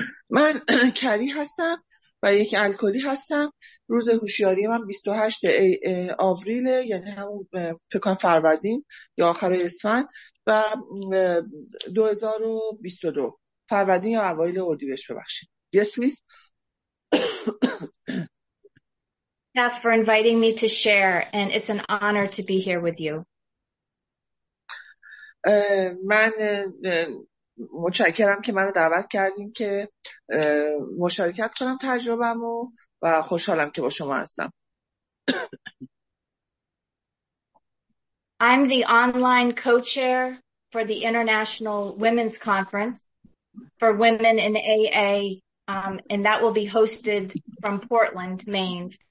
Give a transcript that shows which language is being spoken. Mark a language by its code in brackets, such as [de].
[fa] من کری هستم و یک الکلی هستم. روز هوشیاری من 28 آوریل، یعنی همون فکر کنم فروردین یا آخر اسفند و 2022 فروردین یا اوایل اردیبهشت، ببخشید. [en] Yes, please. Beth, for inviting me to share, and it's an honor to be here with you. [fa] من متشکرم که منو دعوت کردین که مشارکت کنم تجربه‌مو و خوشحالم که با شما هستم. [en] I'm the online co-chair for the International Women's Conference for Women in AA, and that will be hosted from Portland, Maine.